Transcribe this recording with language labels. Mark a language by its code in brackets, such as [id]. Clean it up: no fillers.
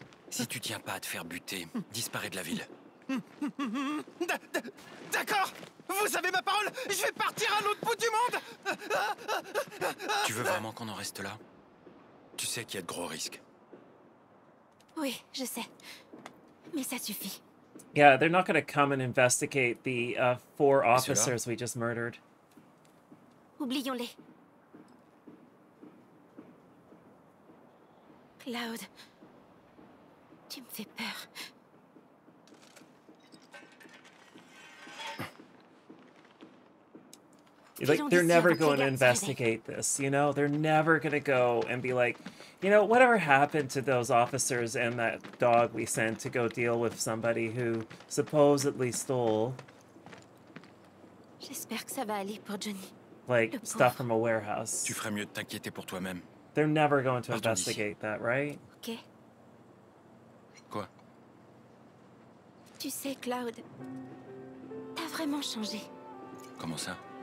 [fr] Si tu tiens pas à te faire buter, disparais de la ville. D'accord! Vous avez ma parole! Je vais partir à l'autre bout du monde! Tu veux vraiment qu'on en reste là? Tu sais qu'il y a de gros risques. Oui, je sais. Mais ça suffit. [en] Yeah, they're not going to come and investigate the four officers we just murdered. [fr] Oublions-les. Cloud, tu me fais peur. [en] Like, they're never going to investigate this, you know? They're never going to go and be like, you know, whatever happened to those officers and that dog we sent to go deal with somebody who supposedly stole... [fr] J'espère que ça va aller pour Johnny. [en] Like, stuff from a warehouse. [fr] Tu ferais mieux de t'inquiéter pour toi-même. [en] They're never going to investigate that, right? Okay. [fr] Quoi? Tu sais, Cloud, t'as vraiment changé. Comment ça?